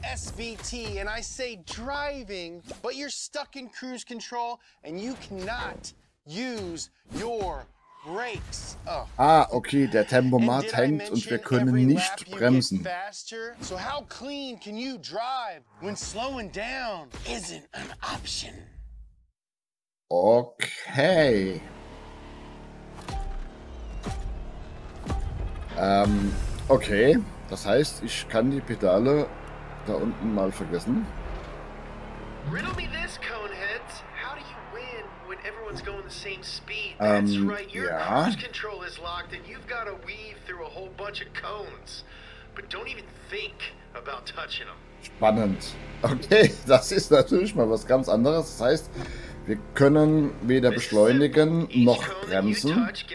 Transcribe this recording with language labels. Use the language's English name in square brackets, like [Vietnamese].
[English] SVT and I say driving, but you're stuck in cruise control and you cannot use your brakes. [German] Ah, okay, der Tempomat hängt und wir können nicht bremsen. [English] So how clean can you drive when slowing down isn't an option? Okay. [German] Okay, das heißt, ich kann die Pedale da unten mal vergessen. [English] Riddle me this, Coneheads. How do you win when everyone's going the same speed? That's right, your cruise control is locked and you've got to weave through a whole bunch of cones. But don't even think about touching them. [German] Spannend. Okay, das ist natürlich mal was ganz anderes. Das heißt, wir können weder beschleunigen noch bremsen.